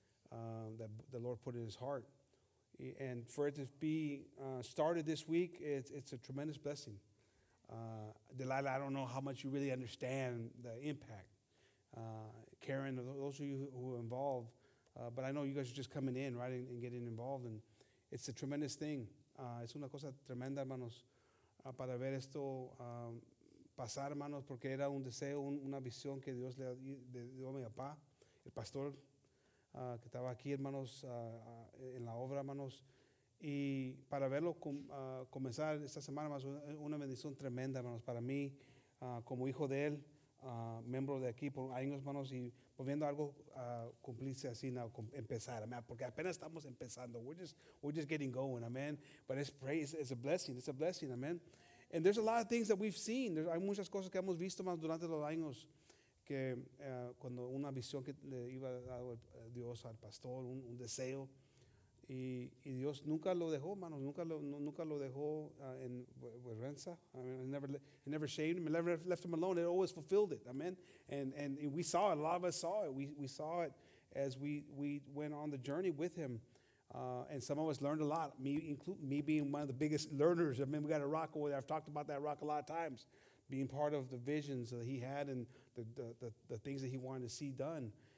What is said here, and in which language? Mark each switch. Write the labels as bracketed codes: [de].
[en] That the Lord put in his heart. And for it to be started this week, it's a tremendous blessing. Delilah, I don't know how much you really understand the impact. Karen, those of you who are involved, but I know you guys are just coming in, right, and getting involved, and it's a tremendous thing. [es] Es una cosa tremenda, hermanos, para ver esto pasar, hermanos, porque era un deseo, una visión que Dios le dio a mi papá, el pastor, que estaba aquí, hermanos, en la obra, hermanos. Y para verlo comenzar esta semana, hermanos, una bendición tremenda, hermanos, para mí, como hijo de él, miembro de aquí por años, hermanos, y viendo algo cumplirse así, empezar, amen, porque apenas estamos empezando. [en] We're just getting going, amen. But it's praise, it's a blessing, amen. And there's a lot of things that we've seen. [es] Hay muchas cosas que hemos visto, hermanos, durante los años. Que cuando una visión que le iba a dar Dios al pastor, un deseo, y Dios nunca lo dejó, hermanos, nunca lo dejó en vergüenza. [en] I mean, he never shamed him, never left him alone. It always fulfilled it, amen. And we saw it, a lot of us saw it. We saw it as we went on the journey with him. And some of us learned a lot, me being one of the biggest learners. I mean, we got a rock over there. I've talked about that rock a lot of times. Being part of the visions that he had and the things that he wanted to see done.